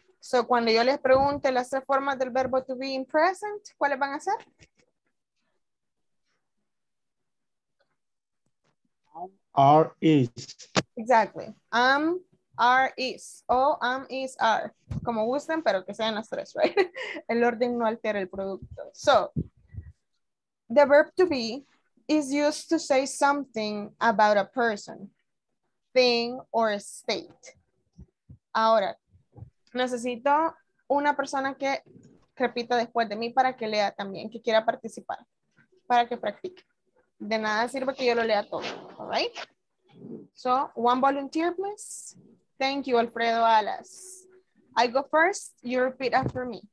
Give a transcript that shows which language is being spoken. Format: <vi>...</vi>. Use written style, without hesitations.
<es>So, cuando yo les pregunte las tres formas del verbo to be in present, ¿cuáles van a ser?</es> <en>Are, is. Exactly. Am, are, is. O am, is, are.</en> <es>Como gusten, pero que sean las tres, right? El orden no altera el producto.</es> <en>So, the verb to be is used to say something about a person, thing, or state.</en> <es>Ahora, necesito una persona que repita después de mí para que lea también, que quiera participar, para que practique. De nada sirve que yo lo lea todo,</es> <en>all right? So, one volunteer, please. Thank you, Alfredo Alas. I go first, you repeat after me.</en>